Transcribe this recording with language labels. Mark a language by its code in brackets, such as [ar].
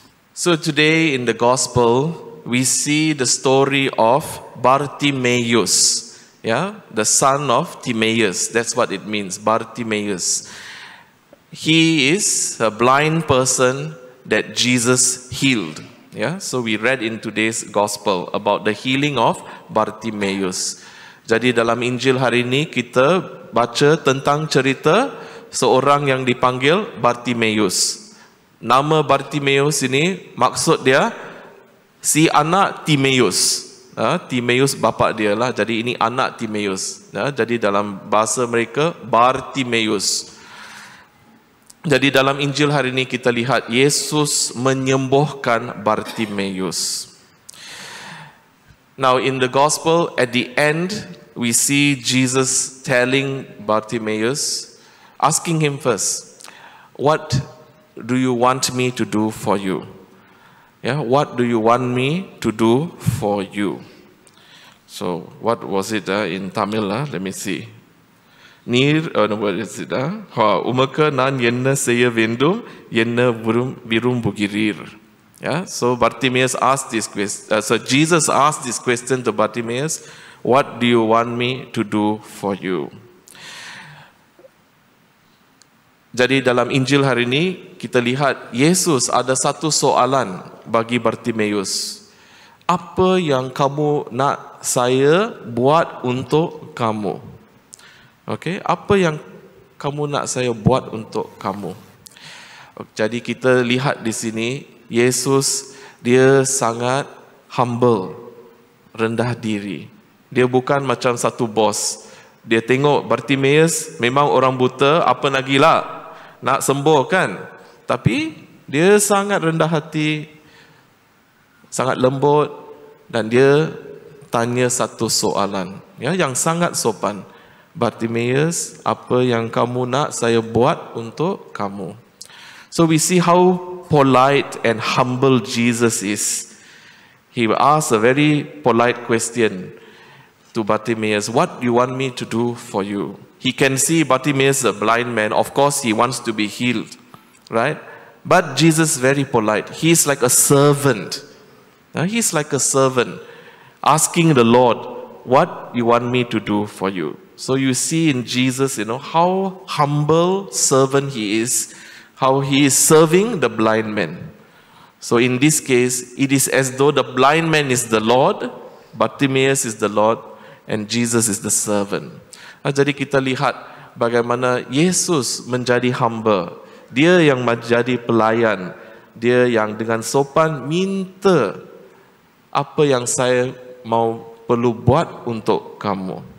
[en] So today in the gospel we see the story of Bartimaeus. Yeah, the son of Timaeus. That's what it means, Bartimaeus. He is a blind person that Jesus healed. Yeah, so we read in today's gospel about the healing of Bartimaeus. [ms] Jadi dalam Injil hari ini kita baca tentang cerita seorang yang dipanggil Bartimaeus. Nama Bartimaeus ini maksud dia si anak Timaeus. Timaeus bapa dia lah. Jadi ini anak Timaeus. Jadi dalam bahasa mereka Bartimaeus. Jadi dalam Injil hari ini kita lihat Yesus menyembuhkan Bartimaeus. [en] Now in the gospel at the end we see Jesus telling Bartimaeus, asking him first, what do you want me to do for you? Yeah, what do you want me to do for you? So what was it in Tamil? Let me see. [ta] உமக்கு நான் என்ன செய்ய வேண்டும், என்ன விரும்புகிறீர்? [en] So Bartimaeus asked this question. So Jesus asked this question to Bartimaeus, what do you want me to do for you? [ms] Jadi dalam Injil hari ini kita lihat Yesus ada satu soalan bagi Bartimaeus. Apa yang kamu nak saya buat untuk kamu? Okay, apa yang kamu nak saya buat untuk kamu? Jadi kita lihat di sini Yesus dia sangat [en] humble, [ms] rendah diri. Dia bukan macam satu bos. Dia tengok Bartimaeus memang orang buta, apa lagi lah nak sembuh kan? Tapi dia sangat rendah hati, sangat lembut, dan dia tanya satu soalan ya, yang sangat sopan. Bartimaeus, apa yang kamu nak saya buat untuk kamu? [en] So we see how polite and humble Jesus is. He asks a very polite question to Bartimaeus, what do you want me to do for you? He can see Bartimaeus, a blind man. Of course, he wants to be healed, right? But Jesus is very polite. He's like a servant. He's like a servant asking the Lord, what do you want me to do for you? So you see in Jesus, you know, how humble servant he is, how he is serving the blind man. So in this case, it is as though the blind man is the Lord, Bartimaeus is the Lord, and Jesus is the servant. [ms] Jadi kita lihat bagaimana Yesus menjadi hamba. Dia yang menjadi pelayan. Dia yang dengan sopan minta apa yang saya mau perlu buat untuk kamu.